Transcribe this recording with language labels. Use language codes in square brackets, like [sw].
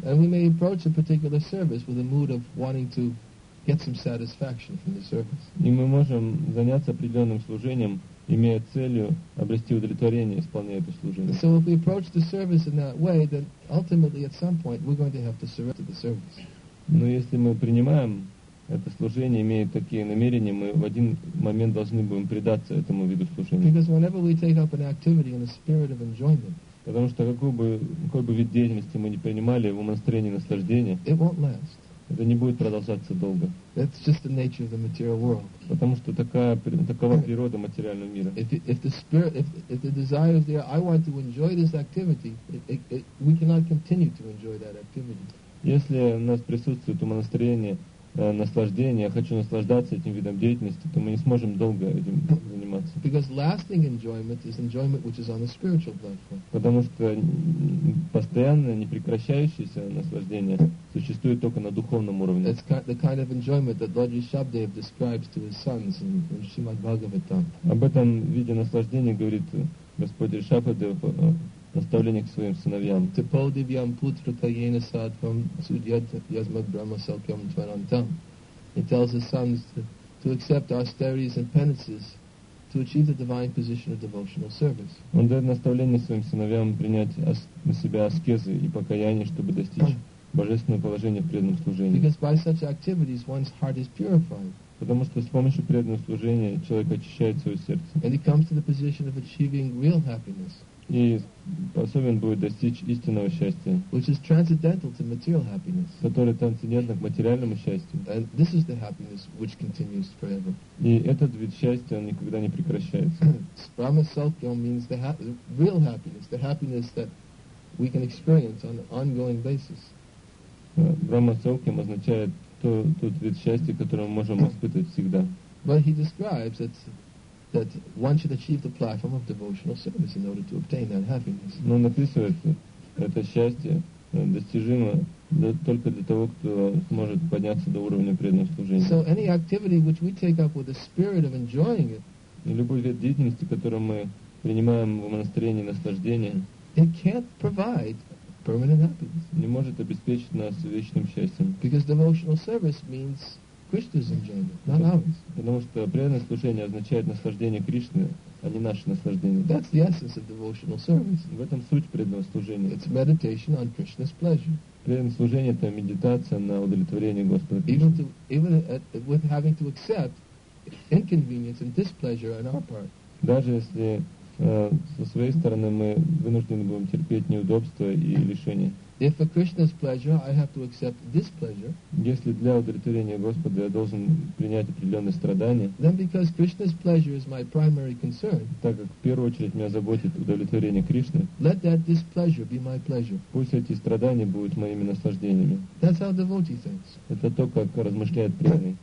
[en] And we may approach a particular service with a mood of wanting to get some satisfaction from the service. [ru] И мы можем заняться определенным служением, имея целью обрести удовлетворение, исполняя это служение. [en] So if we approach the service in that way, then ultimately at some point we're going to have to surrender the service. [ru] Но если мы принимаем это служение, имея такие намерения, мы в один момент должны будем предаться этому виду служения. [en] Because whenever we take up an activity in a spirit of enjoyment, [ru] потому что какой бы вид деятельности мы ни принимали, в настроении наслаждения, [en] it won't last. [ru] Это не будет продолжаться долго. [en] That's just the nature of the material world. [ru] Потому что такова природа материального мира. [en] If the desire is there, I want to enjoy this activity, we cannot continue to enjoy that activity. [ru] Если у нас присутствует ума настроение, наслаждение, я хочу наслаждаться этим видом деятельности, то мы не сможем долго этим заниматься. [en] Because lasting enjoyment is enjoyment which is on the spiritual platform. [ru] Потому что постоянное, непрекращающееся наслаждение существует только на духовном уровне. [en] That's the kind of enjoyment that Lord Rishabhdev describes to his sons in Srimad Bhagavatam. [ru] Об этом виде наслаждения говорит Господь Ришабхадев наставление к своим сыновьям. [sa] Типо дивьям путро каяне садхам судьят язмат брама салкьям тварантам. [en] He tells his sons to accept austerities and penances to achieve the divine position of devotional service. [ru] Он дает наставление своим сыновьям принять на себя аскезы и покаяние, чтобы достичь божественного положения в преданном служении. [en] Because by such activities one's heart is purified. [ru] Потому что с помощью преданного служения человек очищает свое сердце. [en] And he comes to the position of achieving real happiness. [ru] И способен будет достичь истинного счастья, [en] which is transcendental to material happiness, [ru] которое трансцендентно к материальному счастью. [en] And this is the happiness which continues forever. [ru] И этот вид счастья, он никогда не прекращается. [en] Brahma Salkyam means the real happiness, the happiness that we can experience on an ongoing basis. [ru] Brahma Salkyam означает тот вид счастья, который мы можем испытывать всегда. [en] But he describes that one should achieve the platform of devotional service in order to obtain that happiness. [ru] Но написывает, это счастье достижимо только для того, кто сможет подняться до уровня преданного служения. [en] So any activity which we take up with the spirit of enjoying it, [ru] любой вид деятельности, которую мы принимаем в настроении наслаждения, [en] it can't provide permanent happiness. [ru] Не может обеспечить нас вечным счастьем. [en] Because devotional service means Krishna's enjoyment, not ours. [ru] Потому что преданное служение означает наслаждение Кришны, а не наше наслаждение. [en] That's the essence of devotional service. [ru] В этом суть преданного служения. [en] It's meditation on Krishna's pleasure. [ru] Преданное служение – это медитация на удовлетворение Господа Кришны. [en] Even with having to accept inconvenience and displeasure on our part. [ru] Даже если со своей стороны мы вынуждены будем терпеть неудобства и лишения. [en] If for Krishna's pleasure, I have to accept displeasure. [ru] Если для удовлетворения Господа я должен принять определенные страдания. [en] Then, because Krishna's pleasure is my primary concern. [ru] Так как в первую очередь меня заботит удовлетворение Кришны. [en] Let that displeasure be my pleasure. [ru] Пусть эти страдания будут моими наслаждениями. [en] That's how devotee thinks. [ru] Это то, как размышляет преданный.